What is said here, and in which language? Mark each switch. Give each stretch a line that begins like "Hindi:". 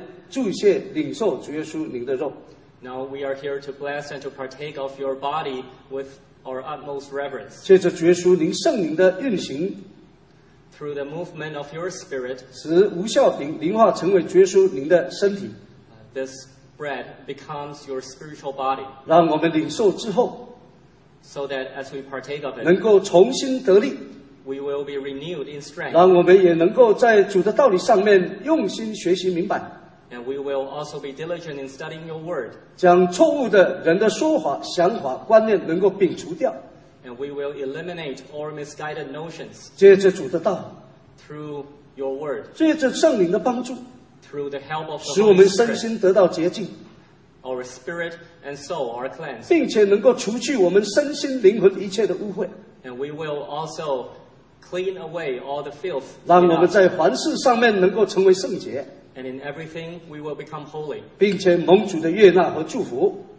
Chinese: 现在我们也用一颗敬畏您虔诚的心要来祝谢领受主耶稣您的肉。
English: Now we are here to bless and to partake of your body with our utmost reverence.
Chinese: 借着主耶稣您圣灵的运行,
English: through the movement of your spirit,
Chinese: 使无效饼灵化成为主耶稣您的身体,
English: this bread becomes your spiritual body.
Chinese: 让我们领受之后,
English: so that as we partake of it,
Chinese: 能够重新得力,
English: we will be renewed in strength.
Chinese: 让我们也能够在主的道理上面用心学习明白。
English: And we will also be diligent in studying your word.
Chinese: 将错误的人的说法、想法、观念能够摒除掉。
English: And we will eliminate all misguided notions.
Chinese: 借着主的道,
English: through your word.
Chinese: 借着圣灵的帮助,
English: through the help of the Holy
Chinese: Spirit. 使我们身心得到洁净。
English: Our spirit and soul are cleansed.
Chinese: 并且能够除去我们身心灵魂一切的污秽。
English: And we will also clean away all the filth.
Chinese: 让我们在凡事上面能够成为圣洁。
English: And in everything, we will become holy.
Chinese: 并且蒙主的悦纳和祝福。